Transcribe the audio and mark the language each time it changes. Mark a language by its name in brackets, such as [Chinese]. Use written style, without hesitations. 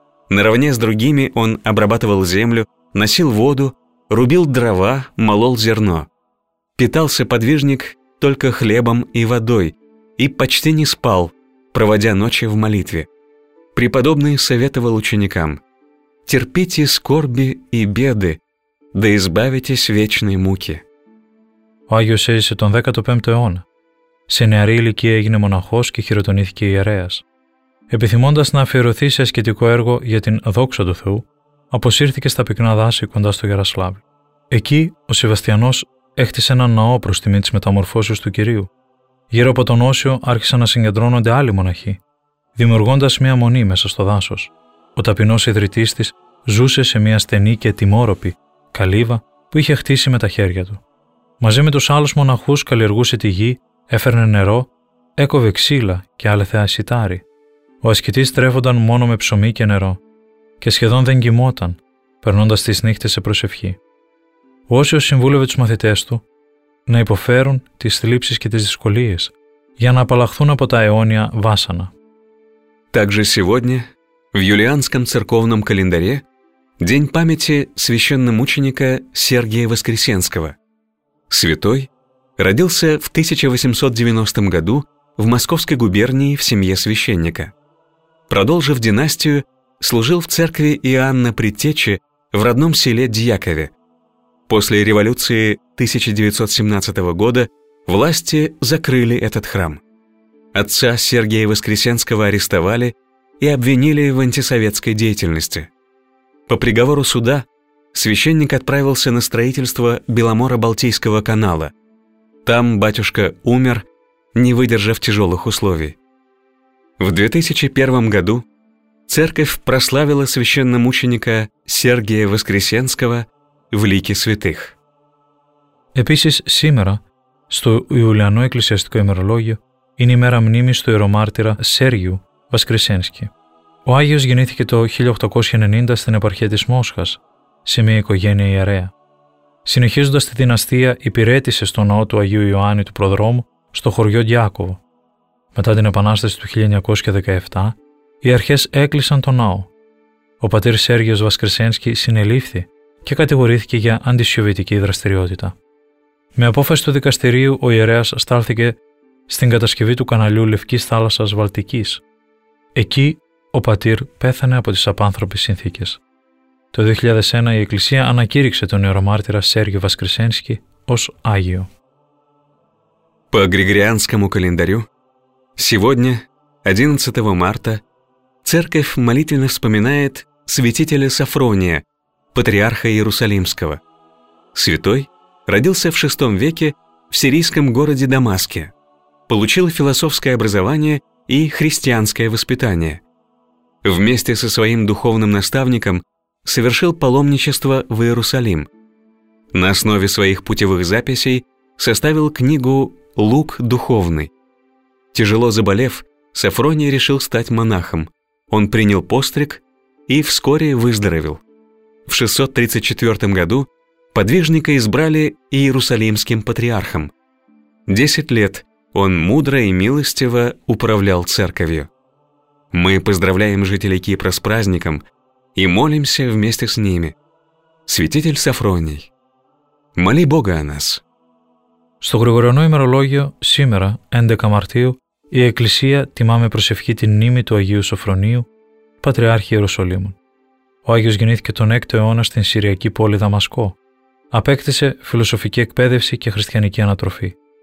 [Russian] Наравне с другими он обрабатывал землю, носил воду, рубил дрова, молол зерно. Питался подвижник только хлебом и водой и почти не спал, проводя ночи в молитве. Преподобный советовал ученикам: «Терпите скорби и беды, да избавитесь вечной муки». [Greek] Ο Άγιος έζησε τον 15ο αιώνα. Σε νεαρή ηλικία έγινε μοναχός και χειροτονήθηκε ιερέας. Επιθυμώντας να αφιερωθεί σε ασκητικό έργο για την δόξα του Θεού, αποσύρθηκε στα πυκνά δάση κοντά στο Ιαροσλάβλ. Εκεί ο Σεβαστιανός έχτισε έναν ναό προς τιμή της μεταμορφώσεως του Κυρίου. Γύρω από τον Όσιο άρχισαν να συγκεντρώνονται άλλοι μοναχοί, δημιουργώντας μία μονή μέσα στο δάσος. Ο ταπεινός ιδρυτής της ζούσε σε μία στενή και τιμόροπη καλύβα που είχε χτίσει με τα χέρια του. Μαζί με τους άλλους μοναχούς καλλιεργούσε τη γη, έφερνε νερό, έκοβε ξύλα και άλεθε ασιτάρι. Ο ασκητής στρέφονταν μόνο με ψωμί και νερό και σχεδόν δεν κοιμόταν, περνώντας τις νύχτες σε προσευχή. Ο Όσιος συμβούλευε τους μαθητές του να υποφέρουν τις θλίψεις και τις δυσκολίες για να απαλλαχθούν από τα αιώνια βάσανα. [Russian] Также сегодня, в юлианском церковном календаре, день памяти священномученика Сергия Воскресенского. Святой родился в 1890 году в Московской губернии в семье священника. Продолжив династию, служил в церкви Иоанна Предтечи в родном селе Дьякове. После революции 1917 года власти закрыли этот храм. Отца Сергия Воскресенского арестовали и обвинили в антисоветской деятельности. По приговору суда священник отправился на строительство Беломоро-Балтийского канала. Там батюшка умер, не выдержав тяжелых условий. В 2001 году церковь прославила священномученика Сергия Воскресенского в лике святых. [Greek] Επίσης σήμερα, στο Ιουλιανό Εκκλησιαστικό Ημερολόγιο, είναι η μέρα μνήμης του ιερομάρτυρα Σέργιου Βασκρισένσκη. Ο Άγιος γεννήθηκε το 1890 στην επαρχία της Μόσχας, σε μια οικογένεια ιερέα. Συνεχίζοντας τη δυναστεία, υπηρέτησε στο ναό του Αγίου Ιωάννη του Προδρόμου, στο χωριό Διάκοβο. Μετά την Επανάσταση του 1917, οι αρχές έκλεισαν το ναό. Ο πατήρ Σέργιος Βασκρισένσκη συνελήφθη και κατηγορήθηκε για αντισιωβητική δραστηριότητα. Με απόφαση του δικαστηρίου, ο ιερέας στάλθηκε στην κατασκευή του καναλιού Λευκής Θάλασσας Βαλτικής. Εκεί ο πατήρ πέθανε από τις απάνθρωπες συνθήκες. Το 2001 η Εκκλησία ανακήρυξε τον ιερομάρτυρα Σέργιο Βασκρισένσκι ως Άγιο. [Russian] По Григорианскому календарю сегодня, 11 марта, церковь молитвенно вспоминает святителя Сафрония, патриарха Иерусалимского. Святой родился в VI веке в сирийском городе Дамаске. Получил философское образование и христианское воспитание. Вместе со своим духовным наставником совершил паломничество в Иерусалим. На основе своих путевых записей составил книгу «Лук духовный». Тяжело заболев, Сафроний решил стать монахом. Он принял постриг и вскоре выздоровел. В 634 году подвижника избрали иерусалимским патриархом. 10 лет он мудро и милостиво управлял церковью. Мы поздравляем жителей Кипра с праздником и молимся вместе с ними. Святитель Сафроний, моли Бога о нас. [Greek] Στο Γρηγοριανό ημερολόγιο, σήμερα, 11 Μαρτίου, η Εκκλησία τιμά με προσευχή την μνήμη του Αγίου Σοφρονίου, Πατριάρχη Ιεροσολύμων. Ο Άγιος γεννήθηκε τον 6ο αιώνα στην Συριακή πόλη Δαμασκό. Απέκτησε φιλοσοφική εκπαίδευση και χριστιανική ανατροφή.